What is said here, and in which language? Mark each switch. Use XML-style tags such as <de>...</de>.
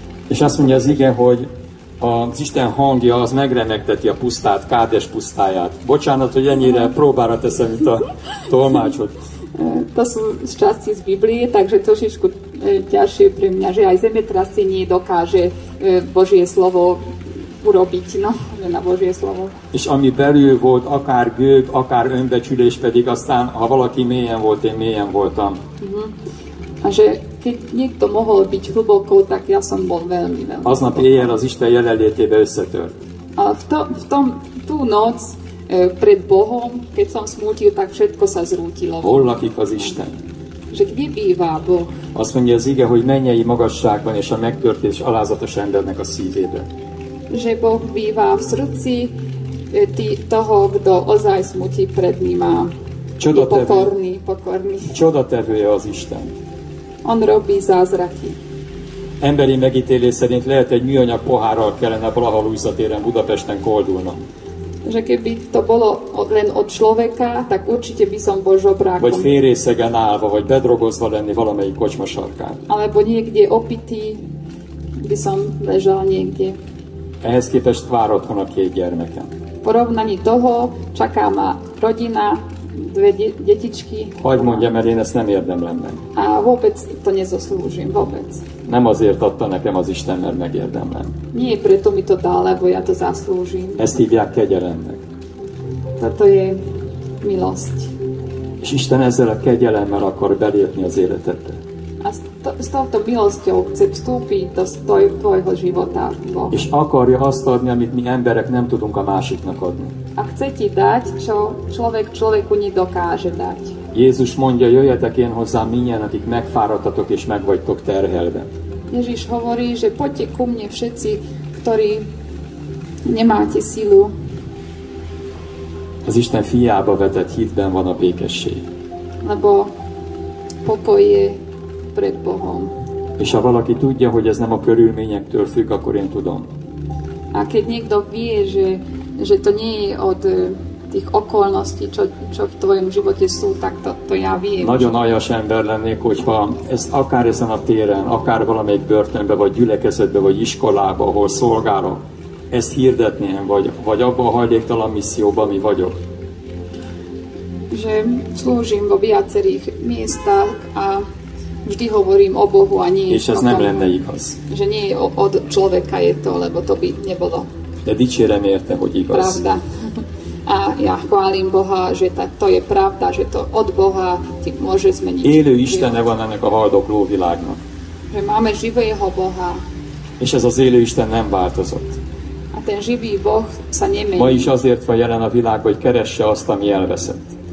<hu>És azt mondja az ige, hogy az Isten hangja az megremegteti a pusztát, Kádes pusztáját. Bocsánat, hogy ennyire próbára teszem itt a tolmácsot.</hu> <sk>To sú z časti z Biblie, takže trošičku ťažšie pre mňa, že aj zemetrasenie dokáže Božie slovo urobiť, no, na Božie slovo.</sk> <hu>És ami belül volt, akár gőg, akár önbecsülés pedig, aztán ha valaki mélyen volt, én mélyen voltam.</hu> <sk>A že keď niekto mohol byť hlboko, tak ja som bol veľmi, veľmi.</sk> <hu>Aznap éjjel az Isten jelenlétébe összetört.</hu> <sk>A tú noc pred Bohom, keď som smútil, tak všetko sa zrútilo.</sk> <hu>Hol lakik az Isten?</hu> <sk>Že kde býva Boh?</sk> <hu>Azt mondja az ige, hogy mennyei magasságban és a megtörtés alázatos embernek a szívébe.</hu> <sk>Že Boh býva v srdci toho, kto ozaj smúti pred ním a je pokorný, pokorný.</sk> <hu>Csodatevője az Isten.</hu> <sk>On robí zázraky.</sk> <hu>Emberi megítélés szerint lehet egy műanyag pohárral kellene Blahalújza téren Budapesten koldulnom.</hu> <sk>Že keby to bolo len od človeka, tak určite by som bol žobrákom.</sk> <hu>Vagy férészegen állva, vagy bedrogozva lenni valamelyik kocsma sarkán.</hu> <sk>Alebo niekde opitý by som ležal niekde.</sk> <hu>Ehhez képest vár otthon a két gyermekem.</hu> <sk>Porovnaní toho čaká ma rodina, dve detičky.</sk> <hu>Hogy mondjam, mert én ezt nem érdemlem meg.</hu> <sk>A vôbec to nezoslúžim, vôbec.</sk> <hu>Nem azért adta nekem az Isten, mert megérdemlem.</hu> <sk>Nie, preto mi to dál, lebo ja to zaslúžim.</sk> <hu>Ezt hívják kegyelemnek.</hu> <sk>To je milosť.</sk> <hu>És Isten ezzel a kegyelemmel akar belépni az életedbe.</hu> <sk>A s touto milosťou chce vstúpiť do tvojho života.</sk> <hu>És akarja azt adni, amit mi emberek nem tudunk a másiknak adni.</hu> <sk>A chce ti dať, čo človek človeku nedokáže dať.</sk> <hu>Jézus mondja, jöjjetek én hozzám mindjárt, akik megfáradtatok és megvagytok terhelve.</hu> <sk>Ježiš hovorí, že poďte ku mne všetci, ktorí nemáte silu.</sk> <hu>Az Isten fiába vetett hitben van a békesség.</hu> <sk>Lebo pokoj je pred Bohom.</sk> <hu>És ha valaki tudja, hogy ez nem a körülményektől függ, akkor én tudom.</hu> <sk>A keď niekto vie, že to nie je od tých okolností, čo v tvojom živote sú, tak to ja viem.</sk> <hu>Nagyon aljas ember lennék, hogyha ezt akár ezen a téren, akár valamelyik börtönbe, vagy gyülekezetbe, vagy iskolába, ahol szolgálok, ezt hirdetném, vagy abban a hajléktalan misszióban, ami vagyok.</hu> <sk>Že slúžim vo viacerých miestach a vždy hovorím o Bohu a nie.</sk> <hu>És ez nem lenne igaz.</hu> <sk>Že nie je od človeka je to, lebo to by nebolo.</sk> <hu>De dicsérem érte, hogy igaz.</hu> <sk>Pravda. A ja chválim Boha, že to je pravda, že to od Boha ti môže zmeniť.</sk> <hu>Élő Istene van ennek a haldokló világnak.</hu> <sk>Že máme živého Boha.</sk> <hu>És ez az élő Isten nem változott.</hu> <sk>A ten živý Boh sa nemení.</sk> <hu>Ma is azért van jelen a világ, hogy keresse azt, ami elveszett.</hu>